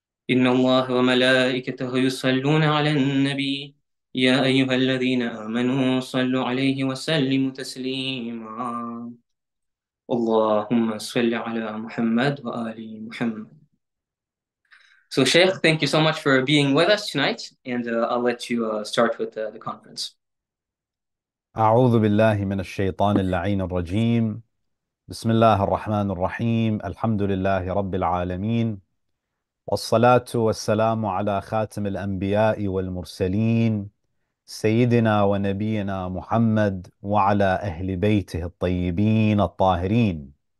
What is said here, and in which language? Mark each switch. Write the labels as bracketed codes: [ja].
[ar] إن الله وملائكته يصلون على النبي يا أيها الذين آمنوا صلوا عليه وسلموا تسليما اللهم صل على محمد وآل محمد. [en] So Sheikh, thank you so much for being with us tonight and I'll let you start with the conference. [ar] أعوذ بالله من الشيطان اللعين الرجيم بسم الله الرحمن الرحيم الحمد لله رب العالمين والصلاة والسلام على خاتم الأنبياء والمرسلين سيدنا ونبينا محمد وعلى أهل بيته الطيبين الطاهرين.